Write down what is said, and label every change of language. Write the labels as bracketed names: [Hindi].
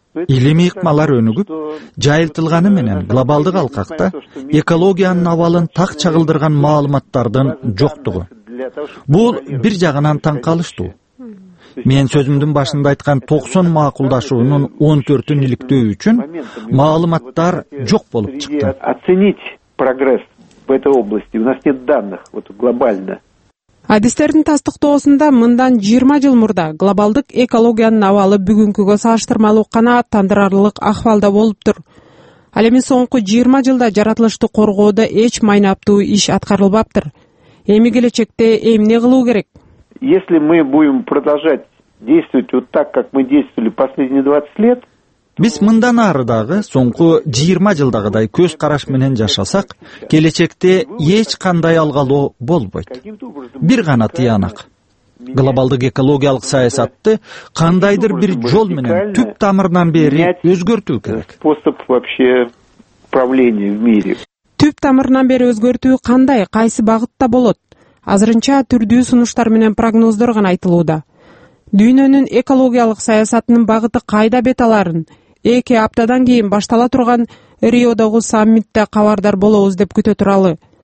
[Kyrgyz] Илимий ыкмалар өнүгүп, жайылтылганы менен глобалдык алкакта экологиянын абалын так чагылдырган маалыматтардын жоктугу. Бул бир жагынан таң калыштуу. Мен сөзүмдүн башында айткан 90 макулдашуунун 14-ün иликтөө үчүн маалыматтар жок болуп чыкты. [Russian] Оценить прогресс в этой области. У нас нет данных вот глобально. [Kyrgyz] Адистердин тастыктоосунда мындан 20 жыл мурда глобалдык экологиянын абалы бүгүнкүгө салыштырмалуу канааттандырарлык ахвалда болуптур. Ал эми соңку 20 жылда жаратылышты коргоодо эч майнаптуу иш аткарылбаптыр. Эми келечекте эмне кылуу керек? [Russian] Если мы будем продолжать действовать вот так, как мы действовали последние 20 лет, [Kyrgyz] биз мындан ары дагы соңку 20 жылдагыдай көз караш менен жашасак, келечекте эч кандай алгалоо болбойт. Бир гана тыянак. Глобалдык экологиялык саясатты кандайдыр бир жол менен түп тамырынан бери өзгөртүү керек. [Russian] Способ вообще правления в мире. [Kyrgyz] Түп тамырынан бери өзгөртүү кандай, кайсы багытта болот? Азырынча түрдүү сунуштар менен прогноздор гана айтылууда. Дүйнөнүн экологиялык саясатынын багыты кайда бет аларын 2 аптадан кийин баштала турган Риодогу саммитте кабардар болобуз деп күтө туралы.